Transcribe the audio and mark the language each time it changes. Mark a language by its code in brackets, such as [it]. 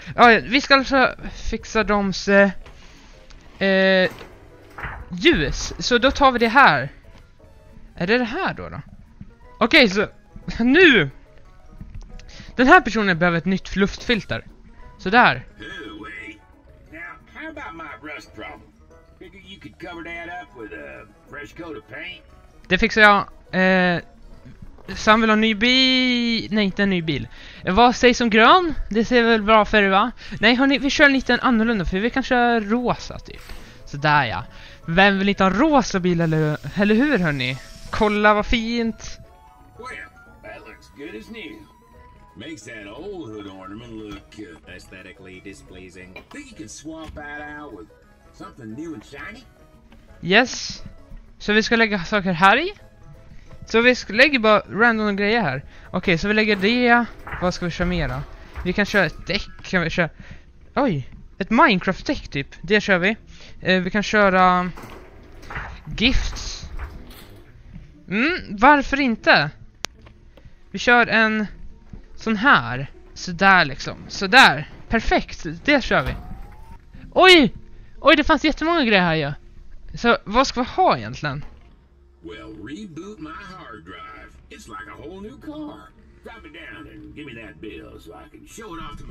[sv] Ja, vi ska alltså fixa doms ljus. Så då tar vi det här. Är det det här då? Okej, så nu. Den här personen behöver ett nytt luftfilter. Så där. [en] Now, how about my rust problem? Figure you could cover that up with a fresh coat of paint. [sv] Det fixar jag. Sam vill ha en ny bil. Nej, inte en ny bil. Vad sägs om grön? Det ser väl bra färg, va? Nej, hörni, vi kör lite annorlunda. För vi kan köra rosa, typ. Sådär, ja. Vem vill inte ha en rosa bil, eller hur, hörni? Kolla, vad fint. [en] Well, that looks good as new. Makes that old hood ornament look aesthetically displeasing. Think you can swap that out with something new and shiny? Yes. [sv] Så vi ska lägga saker här i. Så vi lägger bara random grejer här. Okej, så vi lägger det. Vad ska vi köra mer då? Vi kan köra ett däck. Kan vi köra... Oj. Ett Minecraft-däck typ. Det kör vi. Vi kan köra... Gifts. Mm, varför inte? Vi kör en... Sån här. Sådär liksom. Sådär. Perfekt. Det kör vi. Oj! Oj, det fanns jättemånga grejer här ju. Ja. Så, vad ska vi ha egentligen? [en] Well, reboot my hard drive. It's like a whole new car. Drop it down and give me that bill so I can show it off to my...